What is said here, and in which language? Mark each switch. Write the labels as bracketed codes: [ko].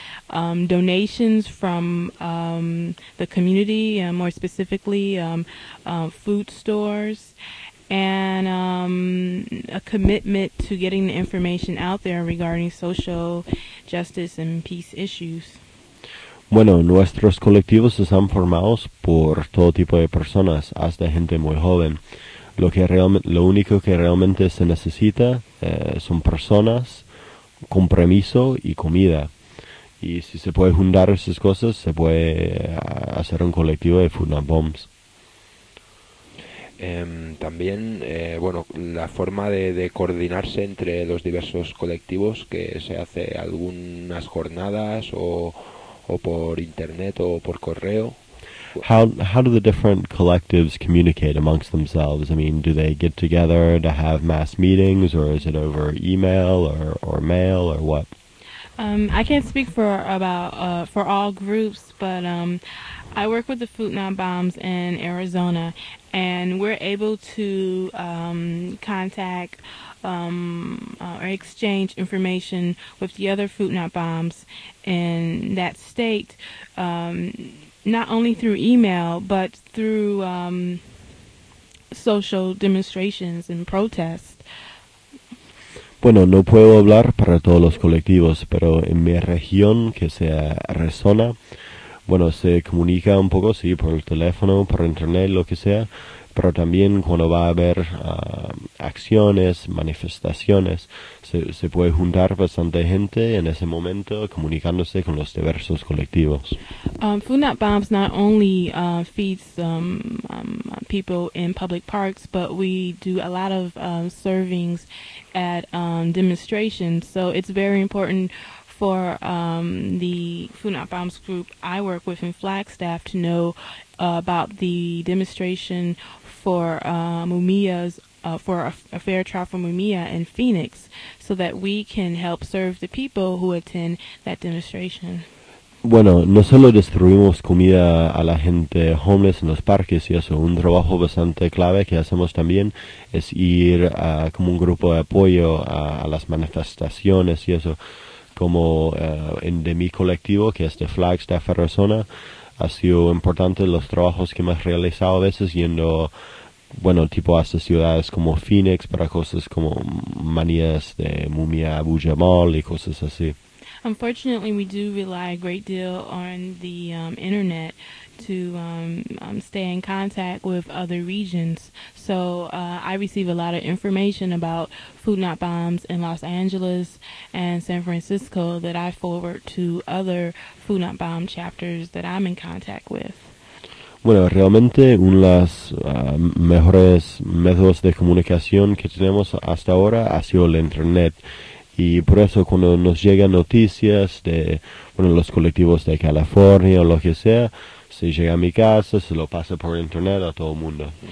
[en] donations from the community, more specifically food stores, and a commitment to getting the information out there regarding social justice and peace issues. [es] Bueno, nuestros colectivos están formados por todo tipo de personas, hasta gente muy joven. Lo único que realmente se necesita son personas, compromiso y comida. Y si se puede juntar esas cosas, se puede hacer un colectivo de Food Not Bombs. También, bueno, la forma de coordinarse entre los diversos colectivos, que se hace algunas jornadas o por internet o por correo. [en] How do the different collectives communicate amongst themselves? I mean, do they get together to have mass meetings, or is it over email or mail or what? I can't speak for all groups, but I work with the Food Not Bombs in Arizona, and we're able to contact or exchange information with the other Food Not Bombs in that state. Not only through email, but through social demonstrations and protests. [es] Bueno, no puedo hablar para todos los colectivos, pero en mi región, que sea Arizona, bueno, se comunica un poco, sí, por el teléfono, por internet, lo que sea, pero también cuando va a haber acciones, manifestaciones, se puede juntar bastante gente en ese momento comunicándose con los diversos colectivos. [en] Food Not Bombs not only feeds people in public parks, but we do a lot of servings at demonstrations, so it's very important for the Food Not Bombs group I work with in Flagstaff to know about the demonstration for Mumia's for a fair trial for Mumia in Phoenix, so that we can help serve the people who attend that demonstration. [es] Bueno, no solo distribuimos comida a la gente homeless en los parques y eso, un trabajo bastante clave que hacemos también es ir como un grupo de apoyo a las manifestaciones y eso. Como de mi colectivo, que es de Flagstaff, Arizona, ha sido importante los trabajos que hemos realizado a veces yendo, bueno, tipo hasta ciudades como Phoenix para cosas como manías de Mumia Abu-Jamal y cosas así. [en] Unfortunately, we do rely a great deal on the internet to stay in contact with other regions. So I receive a lot of information about Food Not Bombs in Los Angeles and San Francisco that I forward to other Food Not Bomb chapters that I'm in contact with. [es] Bueno, realmente uno de los mejores métodos de comunicación que tenemos hasta ahora ha sido el internet. Y por eso cuando nos llegan noticias de, bueno, los colectivos de California o lo que sea, se llega a mi casa, se lo pasa por internet a todo el mundo.